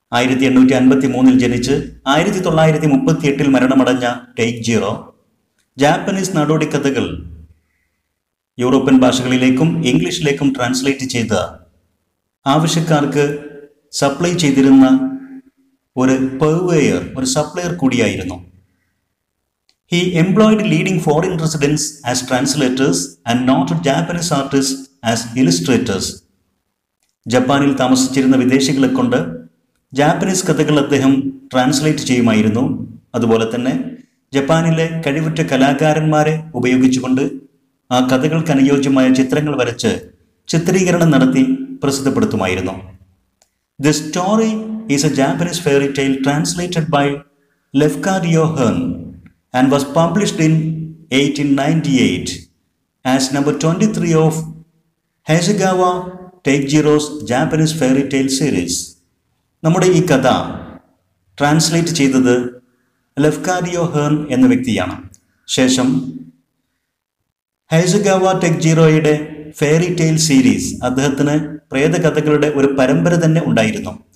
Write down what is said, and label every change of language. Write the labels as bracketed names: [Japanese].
[Malayalam] 1853 ജനിച്ച് 1938 മരണമടഞ്ഞ ടെക്ജിറോ Japanese നാടോടിക്കഥകൾ European ഭാഷകളിലേക്കും ഇംഗ്ലീഷിലേക്കും translate ചെയ്ത് ആവശ്യക്കാർക്ക് സപ്ലൈ ചെയ്തിരുന്ന ഒരു പെർവെയർ, ഒരു സപ്ലയർ കൂടിയായിരുന്നു. [English] He employed leading foreign residents as translators and not Japanese artists as illustrators. [Malayalam] ജപ്പാനിൽ താമസിച്ചിരുന്ന വിദേശികളെ കൊണ്ട് ജാപ്പനീസ് കഥകൾ അദ്ദേഹം ട്രാൻസ്ലേറ്റ് ചെയ്യുമായിരുന്നു. അതുപോലെ തന്നെ ജപ്പാനിലെ കഴിവുറ്റ കലാകാരന്മാരെ ഉപയോഗിച്ചുകൊണ്ട് ആ കഥകൾക്ക് അനുയോജ്യമായ ചിത്രങ്ങൾ വരച്ച് ചിത്രീകരണം നടത്തി പ്രസിദ്ധപ്പെടുത്തുമായിരുന്നു. [English] This story is a Japanese fairy tale translated by Lefkard Johan and was published in 1898 as number 23 of Hasegawa Teijiro's Japanese fairy tale series. [Malayalam] നമ്മുടെ ഈ കഥ ട്രാൻസ്ലേറ്റ് ചെയ്തത് ലെഫ്കാർഡ് യോഹേൺ എന്ന വ്യക്തിയാണ്. ശേഷം ഹൈസഗാവ ടെക്ജിറോയുടെ ഫെയറി ടെയിൽ സീരീസ്, അദ്ദേഹത്തിന് പ്രേതകഥകളുടെ ഒരു പരമ്പര തന്നെ ഉണ്ടായിരുന്നു.